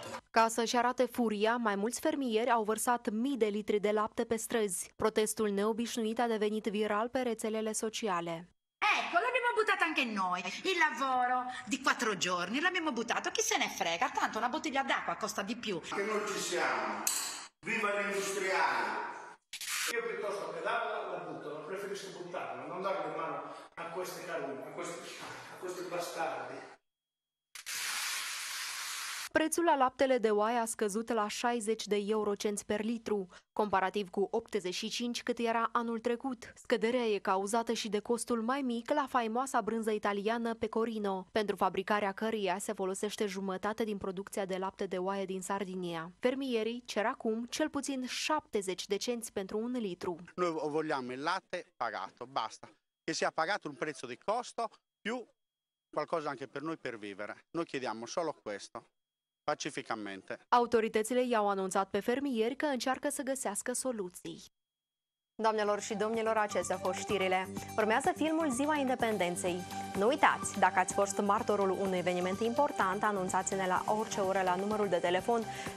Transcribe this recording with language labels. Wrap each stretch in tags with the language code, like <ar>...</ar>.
<ro>Ca să-și arate furia, mai mulți fermieri au vărsat 1000 de litri de lapte pe străzi. Protestul neobișnuit a devenit viral pe rețelele sociale.</ro> <it>Ecco, l'abbiamo buttata anche noi. Il lavoro di 4 giorni l'abbiamo buttato, chi se ne frega, tanto una bottiglia d'acqua costa di più. Che non ci siamo, viva l'industriale. Io piuttosto che darla la butto, non preferisco buttarla, non darle in mano a queste carune, a questi bastardi.</it> <ro>Prețul la laptele de oaie a scăzut la 60 de eurocenți per litru, comparativ cu 85 cât era anul trecut. Scăderea e cauzată și de costul mai mic la faimoasa brânză italiană Pecorino, pentru fabricarea căreia se folosește jumătate din producția de lapte de oaie din Sardinia. Fermierii cer acum cel puțin 70 de cenți pentru un litru.</ro> <it>Noi vogliamo il latte pagato, basta. Che sia pagato un prezzo di costo più qualcosa anche per noi per vivere. Noi chiediamo solo questo. Pacificamente.</it> <ro>Autoritățile i-au anunțat pe fermieri că încearcă să găsească soluții. Doamnelor și domnilor, acestea au fost știrile. Urmează filmul Ziua Independenței. Nu uitați, dacă ați fost martorul unui eveniment important, anunțați-ne la orice oră la numărul de telefon 022-210-130.</ro>